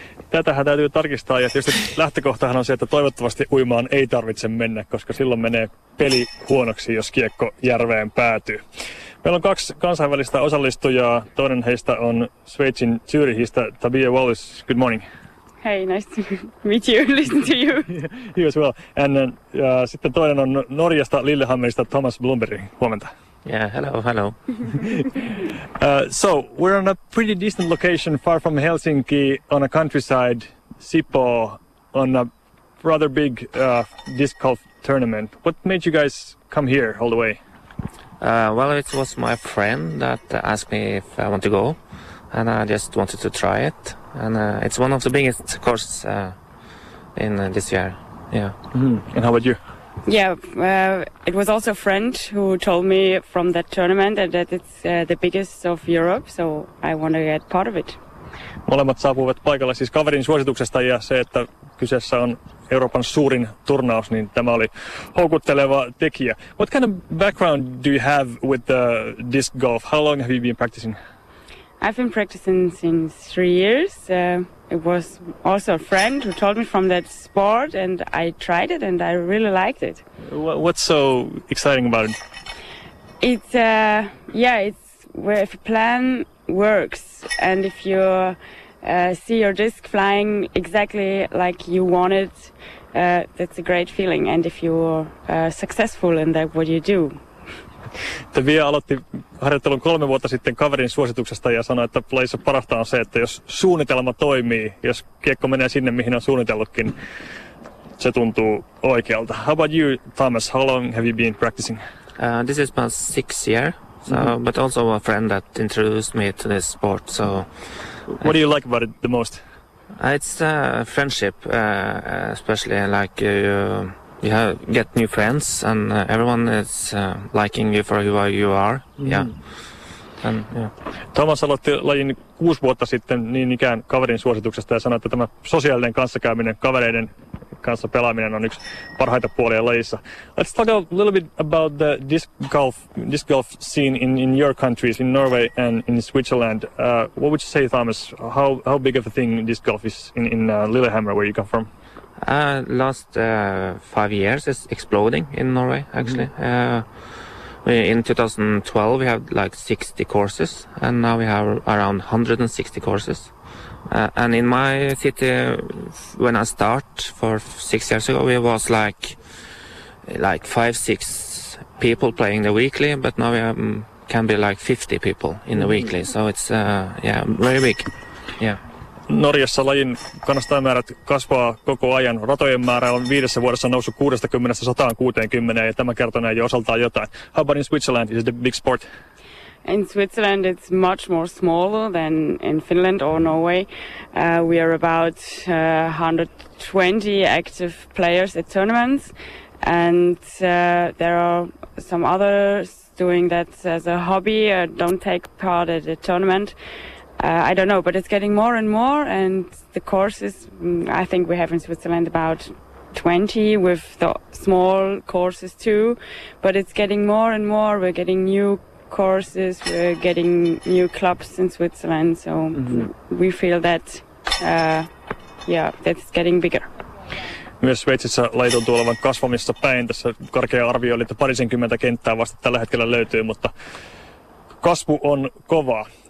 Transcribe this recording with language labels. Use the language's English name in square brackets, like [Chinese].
[Finnish] Tätähän täytyy tarkistaa, ja tietysti lähtökohtahan on se, että toivottavasti uimaan ei tarvitse mennä, koska silloin menee peli huonoksi, jos kiekko järveen päätyy. Meillä on kaksi kansainvälistä osallistujaa. Toinen heistä on Sveitsin Zürichistä Tobias Wallis. [English] Good morning. Hey, nice to meet you, listen to you. You as well. And [Finnish] sitten toinen on Norjasta Lillehammerista Thomas Blomberg. Huomenta. [English] Yeah, hello. So, we're on a pretty distant location, far from Helsinki, on a countryside, Sipo, on a rather big disc golf tournament. What made you guys come here all the way? Well, it was my friend that asked me if I want to go, and I just wanted to try it. And it's one of the biggest courses in this year, yeah. Mm-hmm. And how about you? Yeah, it was also a friend who told me from that tournament that it's the biggest of Europe, so I want to get part of it. [Finnish] Molemmat saapuivat paikalle siis kaverin suosituksesta, ja se, että kyseessä on Euroopan suurin turnaus, niin tämä oli houkutteleva tekijä. [English] What kind of background do you have with the disc golf? How long have you been practicing? I've been practicing since 3 years. It was also a friend who told me from that sport, and I tried it, and I really liked it. What's so exciting about it? It's it's where if a plan works, and if you see your disc flying exactly like you want it, that's a great feeling. And if you're successful in that, what you do. [Finnish] Tobias aloitti harjoittelun 3 vuotta sitten kaverin suosituksesta ja sanoi, että lajissa parasta on se, että jos suunnitelma toimii, jos kiekko menee sinne, mihin on suunnitellutkin, se tuntuu oikealta. [English] How about you, Thomas? How long have you been practicing? This is my 6th year, so, mm-hmm. but also a friend that introduced me to this sport. So, what do you like about it the most? It's friendship, especially like you. You have get new friends, and everyone is liking you for who you are. Mm-hmm. Yeah. And, yeah. [Finnish] Thomas aloitti lajin 6 vuotta sitten niin ikään kaverin suosituksesta ja sanoi, että tämä sosiaalinen kanssakäyminen, kavereiden kanssa pelaaminen on yksi parhaita puolia lajissa. [English] Let's talk a little bit about the disc golf scene in your countries, in Norway and in Switzerland. What would you say, Thomas? How big of a thing disc golf is in Lillehammer, where you come from? Last 5 years is exploding in Norway, actually. Mm-hmm. In 2012 we had like 60 courses, and now we have around 160 courses. And in my city, when I start for 6 years ago, we was like 5-6 people playing the weekly, but now we can be like 50 people in the weekly. So it's very big. Yeah. [Finnish] Norjassa lajin kannastajamäärät kasvaa koko ajan. Ratojen määrä on 5 vuodessa noussut 60-160, ja tämä kertoo näin jo osaltaan jotain. [English] How about in Switzerland? Is it a big sport? In Switzerland it's much more smaller than in Finland or Norway. We are about 120 active players at tournaments, and there are some others doing that as a hobby, don't take part at a tournament. I don't know, but it's getting more and more, and the courses, I think we have in Switzerland about 20 with the small courses too, but it's getting more and more. We're getting new courses, we're getting new clubs in Switzerland, so we feel that, that's getting bigger. [Finnish] Myös Sveitsissä lajit on tuolevan kasvamissa päin. Tässä korkea arvio oli, että parisenkymmentä kenttää vasta tällä hetkellä löytyy, mutta kasvu on kova.